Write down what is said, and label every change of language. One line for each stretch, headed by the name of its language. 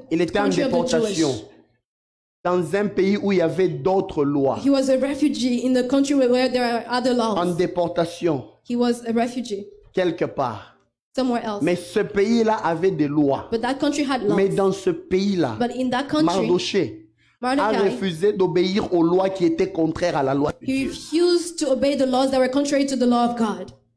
French: il était en déportation dans un pays où il y avait d'autres lois.
English: He was a refugee in the country where there are other laws.
French: En déportation.
English: He was a refugee.
French: Quelque part.
English: Somewhere else.
French: Mais ce pays-là avait des lois.
English: But that country had laws.
French: Mais dans ce pays-là,
English: But in that country,
French: Mardochée
English: Mordecai
French: a refusé d'obéir aux lois qui étaient contraires à la loi de Dieu.
English: He refused to obey the laws that were contrary to the law of God.